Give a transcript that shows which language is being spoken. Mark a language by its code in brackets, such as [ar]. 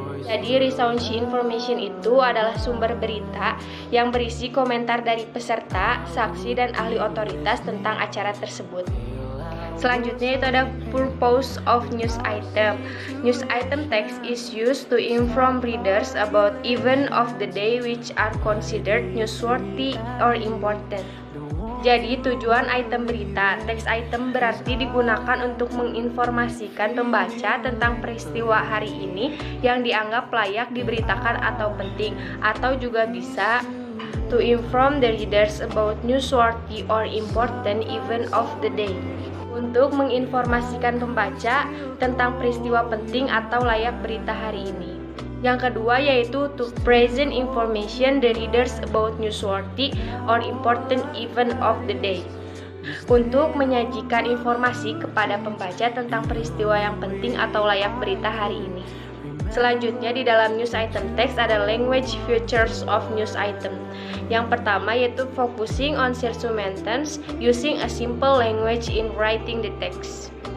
[id] Jadi, recount information itu adalah sumber berita yang berisi komentar dari peserta, saksi, dan ahli otoritas tentang acara tersebut. Selanjutnya itu ada purpose of news item. [en] News item text is used to inform readers about event of the day which are considered newsworthy or important. [id] Jadi, tujuan item berita, text item berarti digunakan untuk menginformasikan pembaca tentang peristiwa hari ini yang dianggap layak diberitakan atau penting, atau juga bisa [en] to inform the readers about newsworthy or important event of the day. [id] Untuk menginformasikan pembaca tentang peristiwa penting atau layak berita hari ini. Yang kedua yaitu [en] to present information the readers about newsworthy or important event of the day. [id] Untuk menyajikan informasi kepada pembaca tentang peristiwa yang penting atau layak berita hari ini. Selanjutnya di dalam news item text ada language features of news item. Yang pertama yaitu [en] focusing on circumstances using a simple language in writing the text.